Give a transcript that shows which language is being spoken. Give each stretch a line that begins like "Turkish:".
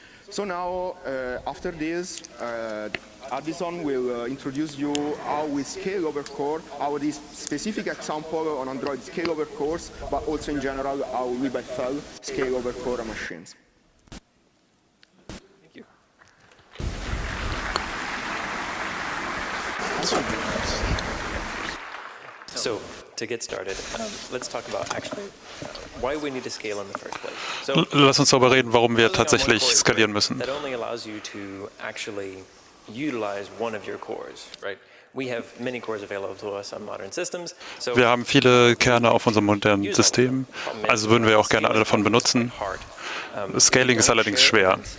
English: So now, after this, Addison will introduce you how we scale over core, how this specific example on Android scale over cores, but also in general how we by default scale over core machines. Thank you. So, to get started, let's talk about actually why we need to scale in the first place. So,
German: lass uns darüber reden, warum wir tatsächlich skalieren müssen.
English: That only allows you to actually utilize one of your cores, right? We have many cores available to us on modern systems. So
German: wir haben viele Kerne auf unserem modernen System, also würden wir auch gerne alle davon benutzen. Scaling ist allerdings schwer.